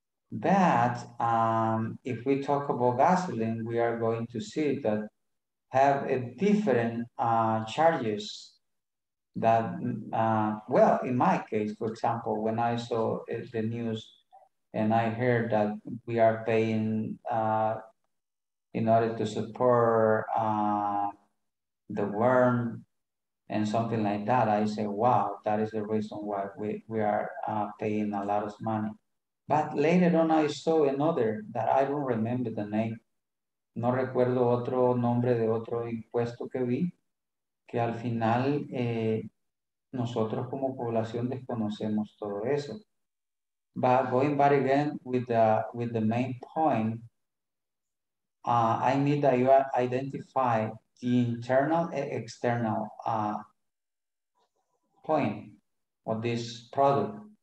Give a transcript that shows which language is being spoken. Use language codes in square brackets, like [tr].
[en] But if we talk about gasoline, we are going to see that have a different charges that, well, in my case, for example, when I saw the news and I heard that we are paying in order to support the worm and something like that, I say, wow, that is the reason why we are paying a lot of money. But later on, I saw another that I don't remember the name. [es] No recuerdo otro nombre de otro impuesto que vi, que al final nosotros como población desconocemos todo eso. [en] But going back again with the main point, I need that you identify the internal and external point of this product.